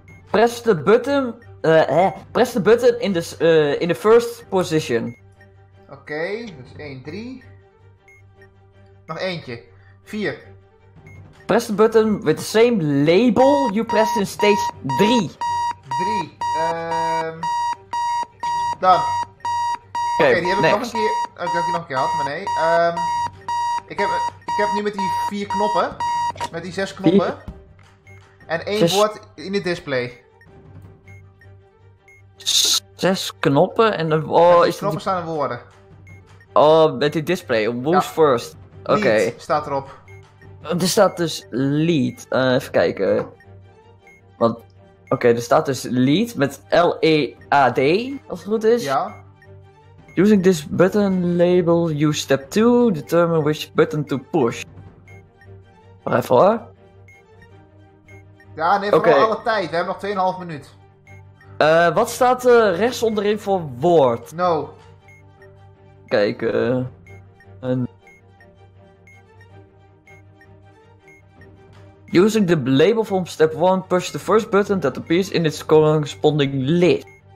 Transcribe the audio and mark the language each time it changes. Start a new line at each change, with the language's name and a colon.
English: Press the button. Press the button in the first position.
Dutch: Oké, dus 1, 3. Nog eentje. 4.
English: Press the button with the same label you pressed in stage 3.
Dutch: 3. Dan. Oké, die heb ik nog een keer. Ik dacht die nog een keer had, maar nee. Ik heb nu met die 4 knoppen. Met die 6 knoppen. En 1 woord in het display. 6 knoppen en een woord. Die knoppen staan in woorden. Oh, met die display.
English: Who's first?
Dutch: Oké. Lead staat erop. Er staat dus lead. Even kijken. Want. Oké, er staat dus lead met L-E-A-D, als het goed is. Ja.
English: Using this button label, use step 2, determine which button to push.
Dutch: Wacht even hoor. Ja, neem vooral alle tijd, we hebben nog 2,5 minuut. Wat staat er rechts onderin voor woord?
English: No. Kijk, using the label from step 1, push the first button that appears in its corresponding list.